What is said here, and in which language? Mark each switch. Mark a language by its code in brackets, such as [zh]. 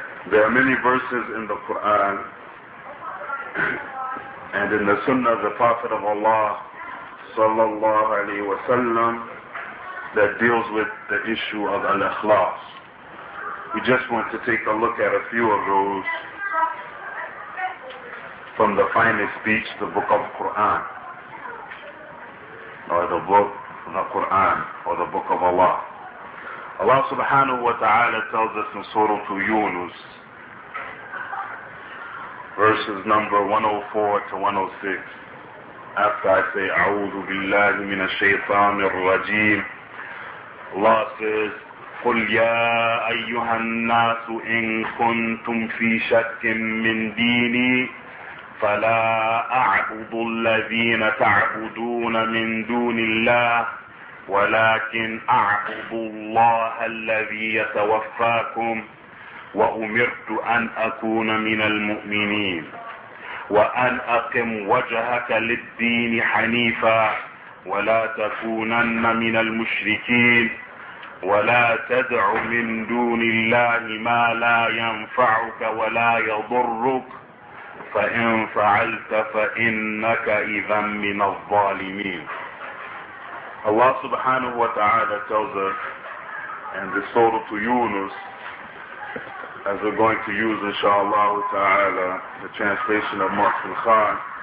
[en] There are many verses in the Quran and in the Sunnah of the Prophet of Allah sallallahu alayhi wa sallam that deals with the issue of al-ikhlas. We just want to take a look at a few of those from the finest speech, the Book of Quran, or the Book of the Quran, or the Book of Allah. Allah subhanahu wa ta'ala tells us in Surah to Yunus, verses number 104 to 106, after I say, [ar] أعوذ بالله من الشيطان الرجيم, Allah says, قُلْ يَا أَيُّهَا النَّاسُ إِن كُنْتُمْ فِي شَكٍّ مِّن دِينِي فَلَا أَعْبُدُ الَّذِينَ تَعْبُدُونَ مِن دُونِ اللَّهِ وَلَكِنْ أَعْبُدُ اللَّهَ الَّذِي يَتَوَفَّاكُمْ وَأُمِرْتُ أَنْ أَكُونَ مِنَ الْمُؤْمِنِينَ وَأَنْ أَقِمْ وَجْهَكَ لِلدِّينِ حَنِيفًا وَلَا تَكُونَنَّ مِنَ الْمُشْرِكِينَ ولا تدع من دون الله ما لا ينفعك ولا يضرك فإن فعلت فإنك إذا من الظالمين. [en] Allah subhanahu wa ta'ala tells us in the Surah to Yunus, as we're going to use inshallah ta'ala the translation of Marsil Khan,